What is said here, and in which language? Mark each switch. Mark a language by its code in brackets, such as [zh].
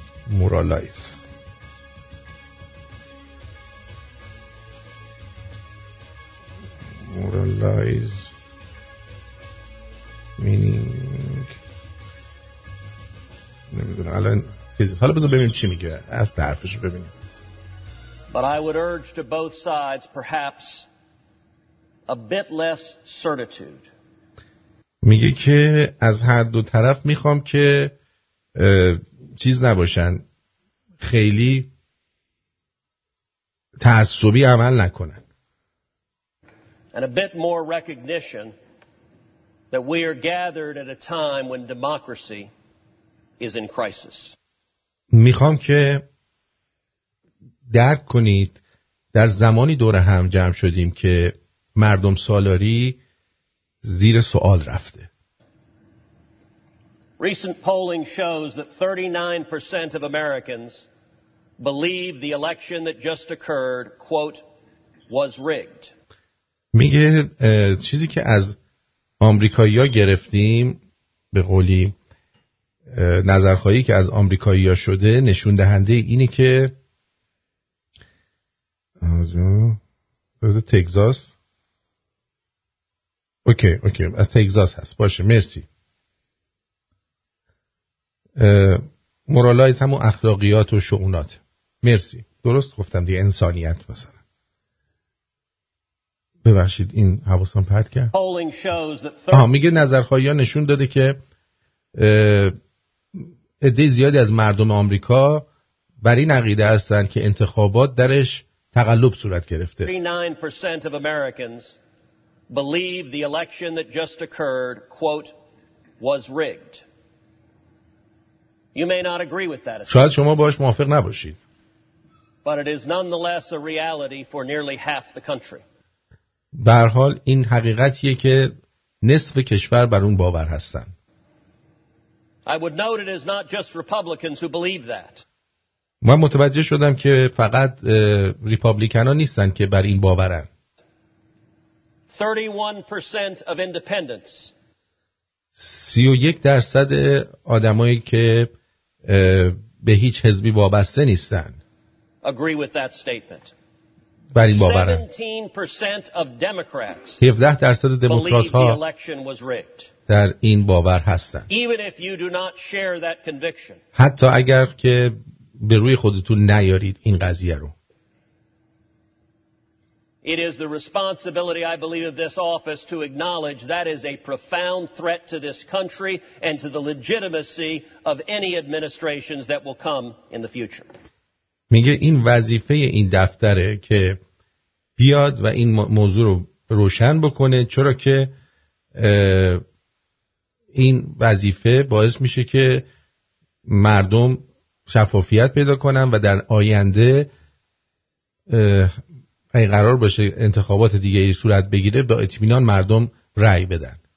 [en] moralize moralize meaning [fa] نمیدونم الان چیزه. حالا بذار ببینیم چی میگه، از طرفش ببینیم. [en] But I would urge to both sides perhaps a bit less certitude. [fa] میگه که از هر دو طرف میخوام که چیز نباشن، خیلی تعصبی عمل نکنن. [en] And a bit more recognition that we are gathered at a time when democracy is in crisis. [fa] میخوام که درک کنید در زمانی دور هم جمع شدیم که مردم سالاری زیر سوال رفته. [en] Recent polling shows that 39% of Americans believe the election that just occurred, quote, was rigged. [fa] میگه چیزی که از آمریکایی‌ها گرفتیم، به قولی نظرخواهی که از آمریکایی‌ها شده، نشون دهنده اینه که از تگزاس، اوکی اوکی، از تگزاس هست، باشه، مرسی. مورالایز همون اخلاقیات و شؤونات، مرسی، درست گفتم دیگه، انسانیت مثلا. ببخشید این حواسم پرت کرد. میگه نظرخواهی ها نشون داده که عده زیادی از مردم آمریکا بر این عقیده هستند که انتخابات درش تقلب صورت گرفته. [en] 39% of Americans believe the election that just occurred, quote, was rigged. You may not agree with that. [fa] شاید شما باش موافق نباشید. [en] But it is nonetheless a reality for nearly half the country. [fa] به هر حال این حقیقتیه که نصف کشور بر اون باور هستن. [en] I would note it is not just Republicans who believe that. [fa] من متوجه شدم که فقط ریپابلیکن‌ها نیستن که بر این باورن. [en] 31% of independents. [fa] 31% آدمایی که به هیچ حزبی وابسته نیستن. [en] Agree with that statement. [fa] بر این باورن. [en] 17% of Democrats. [fa] 17% دموکرات‌ها در این باور هستن. [en] Even if you do not share that conviction. [fa] حتی اگر که به روی خودتون نیارید این قضیه رو. [en] It is the responsibility, I believe, of this office to acknowledge that is a profound threat to this country and to the legitimacy of any administrations that will come in the future. [fa] میگه این وظیفه این دفتره که بیاد و این موضوع رو روشن بکنه، چرا که این وظیفه باعث میشه که مردم شفافیت پیدا کنن و در آینده اگه قرار باشه انتخابات دیگه ای صورت بگیره با اطمینان مردم رأی بدن.